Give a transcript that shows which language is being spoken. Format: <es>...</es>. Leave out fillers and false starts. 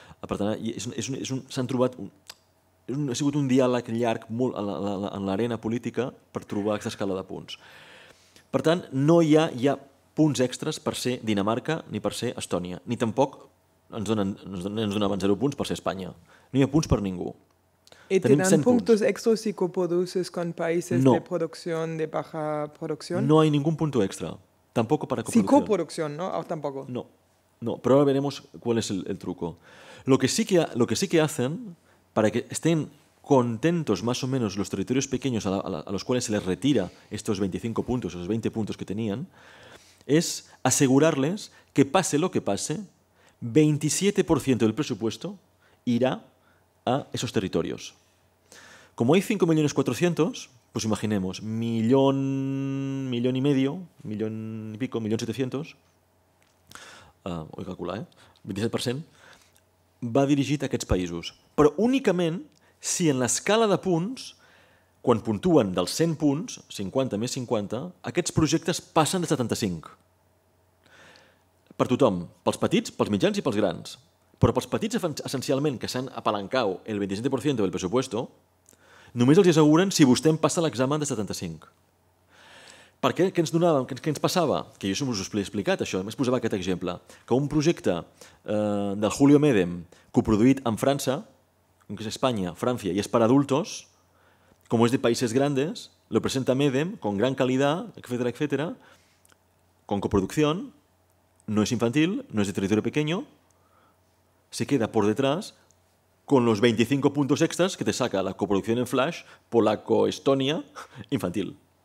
<ca>Per tant, s'han trobat... ha sigut un diàleg llarg molt en l'arena política per trobar aquesta escala de punts. Per tant, no hi ha punts extres per ser Dinamarca ni per ser Estònia, ni tampoc ens donaven 0 punts per ser Espanya. No hi ha punts per ningú.</ca> <es>¿Y tienen puntos extra si coproduces con países no. de producción, de baja producción? No hay ningún punto extra, tampoco para coproducción. Si coproducción, ¿no? O tampoco. No, pero ahora veremos cuál es el truco. Lo que sí que hacen, para que estén contentos más o menos los territorios pequeños a los cuales se les retira estos 25 puntos, esos 20 puntos que tenían, es asegurarles que pase lo que pase, 27% del presupuesto irá a esos territorios. Como hay 5.400.000, pues imaginemos, millón y medio, millón y pico, 1.700.000, voy a calcular, 27%,</es> <ca>va dirigit a aquests països. Però únicament si en l'escala de punts, quan puntuen dels 100 punts, 50 més 50, aquests projectes passen de 75. Per tothom, pels petits, pels mitjans i pels grans. Però pels petits, essencialment, que s'han apalancat el 27% del pressupuesto, només els asseguren si vostè em passa l'examen de 75. Per què? Què ens donàvem? Què ens passava? Que jo us ho he explicat, això. Només posava aquest exemple. Que un projecte del Julio Medem, coproduït en França,</ca> <es>aunque es España, Francia y es para adultos, como es de países grandes, lo presenta MEDEM con gran calidad, etcétera, etcétera, con coproducción, no es infantil, no es de territorio pequeño, se queda por detrás con los 25 puntos extras que te saca la coproducción en Flash polaco-estonia infantil.</es>